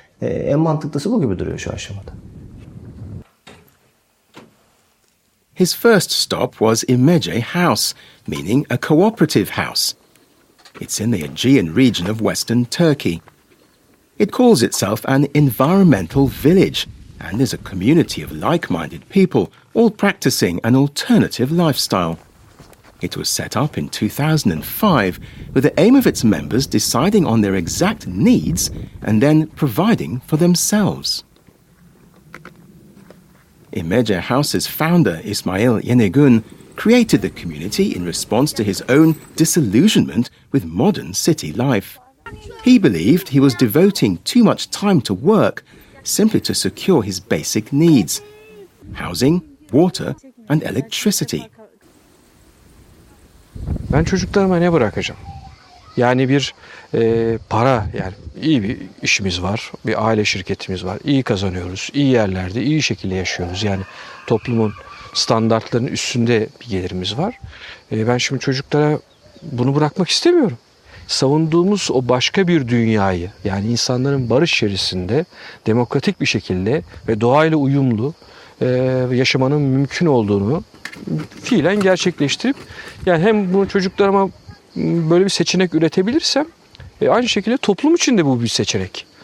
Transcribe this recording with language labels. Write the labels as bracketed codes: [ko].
[tr] En mantıklısı bu gibi duruyor şu aşamada. [en] His first stop was Imece House, meaning a cooperative house. It's in the Aegean region of western Turkey. It calls itself an environmental village and is a community of like-minded people, all practicing an alternative lifestyle. It was set up in 2005 with the aim of its members deciding on their exact needs and then providing for themselves. Imece House's founder, İsmail Yenigun, created the community in response to his own disillusionment with modern city life. He believed he was devoting too much time to work simply to secure his basic needs: housing, water and electricity. [tr] Ben çocuklarıma ne bırakacağım? Yani bir para, yani iyi bir işimiz var, bir aile şirketimiz var, iyi kazanıyoruz, iyi yerlerde, iyi şekilde yaşıyoruz. Yani toplumun standartlarının üstünde bir gelirimiz var. Ben şimdi çocuklara bunu bırakmak istemiyorum. Savunduğumuz o başka bir dünyayı, yani insanların barış içerisinde, demokratik bir şekilde ve doğayla uyumlu yaşamanın mümkün olduğunu fiilen gerçekleştirip, yani hem bunu çocuklarıma böyle bir seçenek üretebilirsem aynı şekilde toplum için de bu bir seçenek.